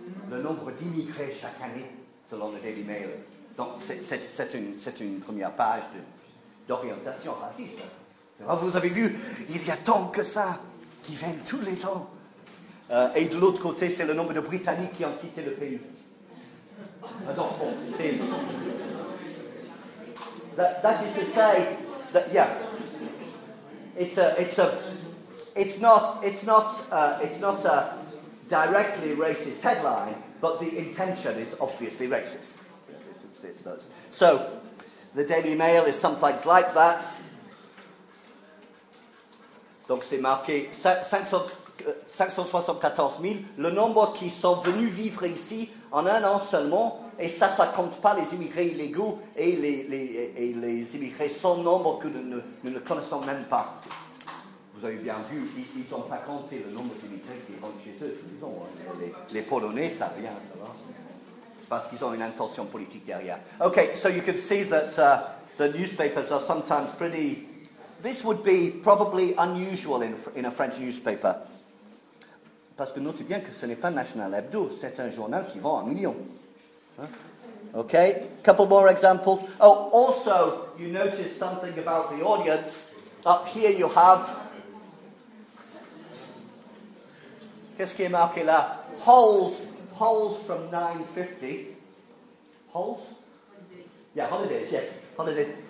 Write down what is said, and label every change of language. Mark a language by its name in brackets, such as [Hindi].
[French] Le nombre d'immigrés chaque année, selon le Daily Mail. Donc, c'est une première page d'orientation raciste. Alors, vous avez vu, il y a tant que ça qui viennent tous les ans. Et de l'autre côté, c'est le nombre de Britanniques qui ont quitté le pays. Donc, bon, c'est... [English] That is to say that, yeah, it's not a directly racist headline, but the intention is obviously racist. It's so, the Daily Mail is something like that. [French] Donc c'est marqué 574,000. Le nombre qui sont venus vivre ici en un an seulement, et ça compte pas les immigrés illégaux et les immigrés sans nombre que nous ne connaissons même pas. Vous avez bien vu, ils n'ont pas compté le nombre d'immigrés qui rentrent chez eux tous les ans. Hein. les Polonais savent bien, parce qu'ils ont une intention politique derrière. [English] Ok, so you can see that the newspapers are sometimes pretty... This would be probably unusual in a French newspaper. [French] Parce que notez bien que ce n'est pas National Hebdo, c'est un journal qui vend un million. Hein? [English] Ok, couple more examples. Oh, also, you notice something about the audience. Up here you have... [French] Qu'est-ce qui est marqué là? [English] Holes from 9:50. Holes? Yeah, holidays, yes. Holidays.